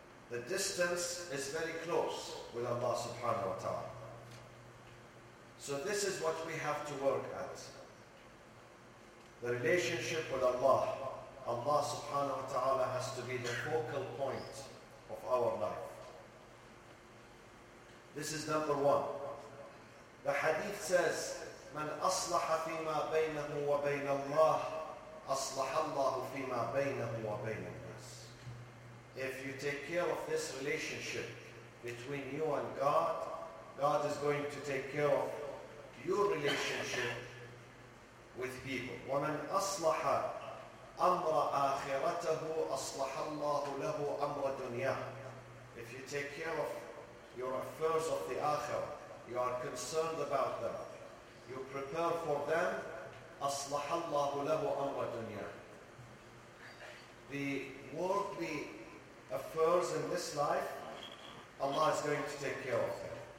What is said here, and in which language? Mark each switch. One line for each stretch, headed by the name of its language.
English: The distance is very close with Allah subhanahu wa ta'ala. So this is what we have to work at. The relationship with Allah. Allah subhanahu wa ta'ala has to be the focal point of our life. This is number one. The hadith says,
Arabic: من أصلح فيما بينه وبين الله أصلح الله فيما بينه وبين الناس.
English: If you take care of this relationship between you and God, God is going to take care of your relationship with people.
Arabic: ومن أصلح أمر آخرته أصلح الله له أمر دنياه.
English: If you take care of your affairs of the akhirah, you are concerned about them, you prepare for them,
Arabic: أصلح الله له أمر دنياه.
English: The worldly affairs in this life, Allah is going to take care of them.